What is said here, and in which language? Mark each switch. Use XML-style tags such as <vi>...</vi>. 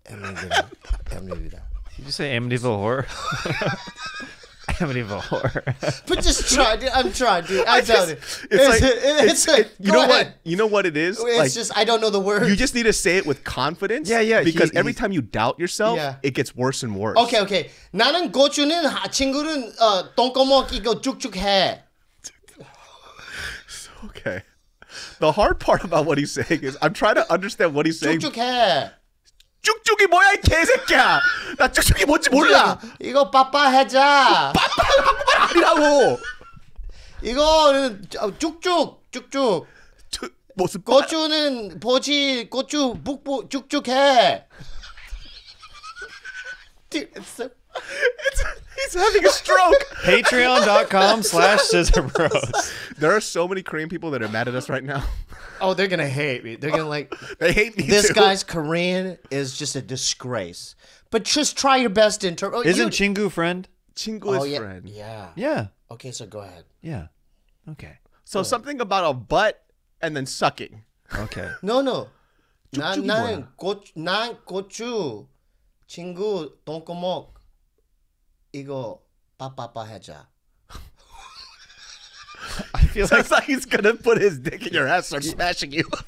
<en>Did you say amnibiba horror? Amityville Horror. But just try, dude. I'm trying, dude. You know what it is? It's like, just, I don't know the word. You just need to say it with confidence. Yeah, yeah. Because every time you doubt yourself, yeah, it gets worse and worse. Okay, okay.</en> <ko>나는 고추는 친구는 똥꼬먹 이거 쭉쭉해.</ko> <en>Okay. The hard part about what he's saying is I'm trying to understand what he's saying.</en> <ko>쭉쭉해. 쭉쭉이 뭐야 이 개새끼야. 나 쭉쭉이 뭔지 몰라. 이거 빠빠해자. 빠빠라고 말 아니라고. 이거 쭉쭉. 쭉쭉. 모습. 고추는 보지. 고추 북북 쭉쭉해.</ko> <en>Dude, he's having a stroke. Patreon.com/scissorbros. There are so many Korean people that are mad at us right now. Oh, they're gonna hate me. They're gonna like they hate me. This too. Guy's Korean is just a disgrace. But just try your best to interpret. Isn't Chingu friend? Chingu is friend. Yeah. Yeah. Okay, so go ahead. Yeah. Okay. So good. Something about a butt and then sucking. Okay. No, no.</en> <ko>난 고추 친구 똥꼬먹 이거 빠빠빠 하자.</ko> <en>I feel like... like he's gonna put his dick in your ass and start smashing you.</en>